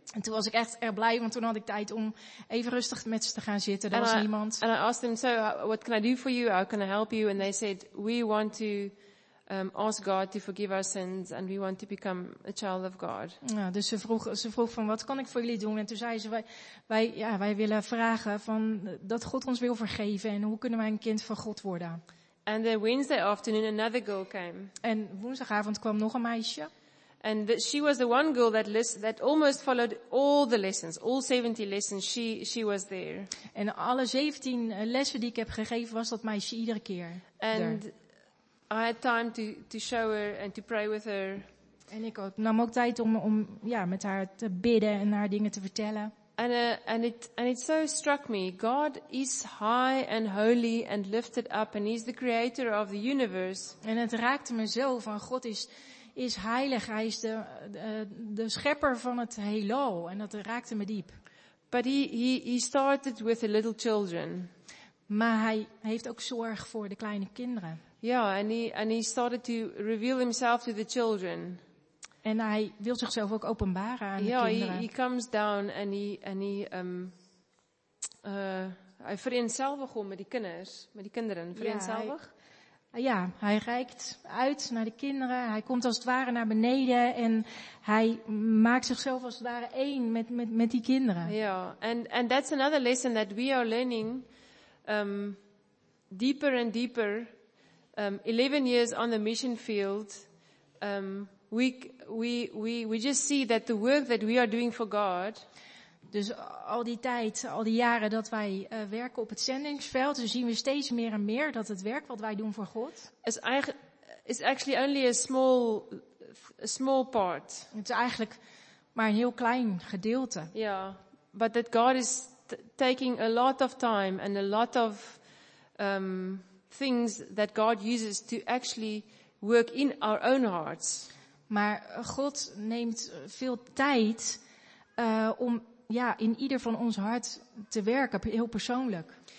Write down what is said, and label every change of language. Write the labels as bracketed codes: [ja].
[nl] En toen was ik echt erg blij, want toen had ik tijd om even rustig met ze te gaan zitten. Er was niemand. [en] And I asked them, so what can I do for you? How can I help you? And they said, we want to ask God to forgive our sins and we want to become a child of God. [nl] Ja, dus ze vroeg van, wat kan ik voor jullie doen? En toen zei ze, wij willen vragen van dat God ons wil vergeven en hoe kunnen wij een kind van God worden? [en] And then Wednesday afternoon another girl came. [nl] En woensdagavond kwam nog een meisje. [en] And she was the one girl that almost followed all the lessons, all 70 lessons. She was there. [nl] En alle 17 lessen die ik heb gegeven was dat meisje iedere keer. [en] And I had time to show her and to pray with her. [nl] En ik nam ook tijd om met haar te bidden en haar dingen te vertellen. [en] And it so struck me. God is high and holy and lifted up and he's the creator of the universe. [nl] En het raakte me zo van God is heilig. Hij is de schepper van het heelal. En dat raakte me diep. [en] But he started with the little children. [nl] Maar hij heeft ook zorg voor de kleine kinderen. [en] Yeah, and he started to reveal himself to the children. [nl] En hij wil zichzelf ook openbaren aan de kinderen. [en] Yeah, he comes down and he [nl] vereenzelvig om met die kinderen. Vereenzelvig. Ja, hij reikt uit naar de kinderen. Hij komt als het ware naar beneden en hij maakt zichzelf als het ware één met die kinderen. Ja, yeah. [en] And that's another lesson that we are learning deeper and deeper. 11 years on the mission field, we just see that the work that we are doing for God. [nl] Dus al die tijd, al die jaren dat wij werken op het zendingsveld, dus zien we steeds meer en meer dat het werk wat wij doen voor God [en] is actually only a small part. [nl] Het is eigenlijk maar een heel klein gedeelte. [en] Ja, yeah, but that God is taking a lot of time and a lot of things that God uses to actually work in our own hearts. [nl] Maar God neemt veel tijd om in ieder van ons hart te werken, heel persoonlijk.